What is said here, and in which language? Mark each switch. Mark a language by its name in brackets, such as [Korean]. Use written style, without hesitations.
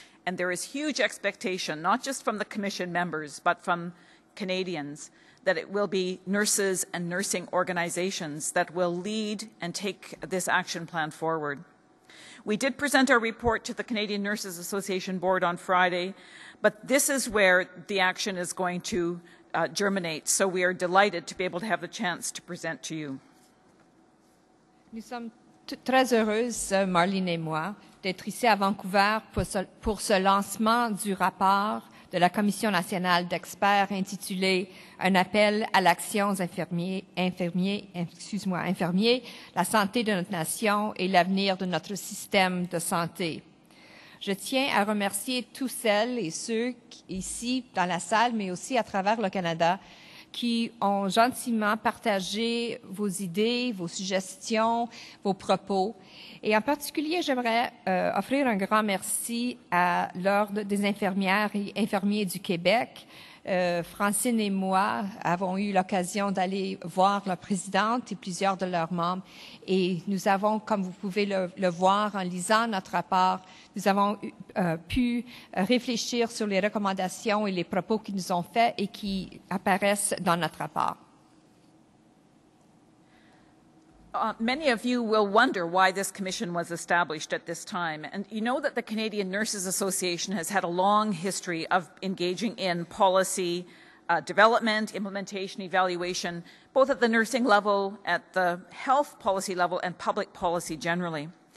[English] And there is huge expectation, not just from the Commission members, but from Canadians, that it will be nurses and nursing organizations that will lead and take this action plan forward. We did present our report to the Canadian Nurses Association Board on Friday, but this is where the action is going to germinate, so we are delighted to be able to have the chance to present to you. [French] Nous sommes très heureuses, Marlene et moi, d'être ici à Vancouver pour ce lancement du rapport de la Commission nationale d'experts intitulé « Un appel à l'action infirmiers, la santé de notre nation et l'avenir de notre système de santé ». Je tiens à remercier tous celles et ceux qui, ici dans la salle, mais aussi à travers le Canada, qui ont gentiment partagé vos idées, vos suggestions, vos propos. Et en particulier, j'aimerais offrir un grand merci à l'Ordre des infirmières et infirmiers du Québec, Francine et moi avons eu l'occasion d'aller voir la présidente et plusieurs de leurs membres. Et nous avons, comme vous pouvez le voir en lisant notre rapport, nous avons pu réfléchir sur les recommandations et les propos qu'ils nous ont faits et qui apparaissent dans notre rapport. [English] Many of you will wonder why this commission was established at this time. And you know that the Canadian Nurses Association has had a long history of engaging in policy development, implementation, evaluation, both at the nursing level, at the health policy level, and public policy generally.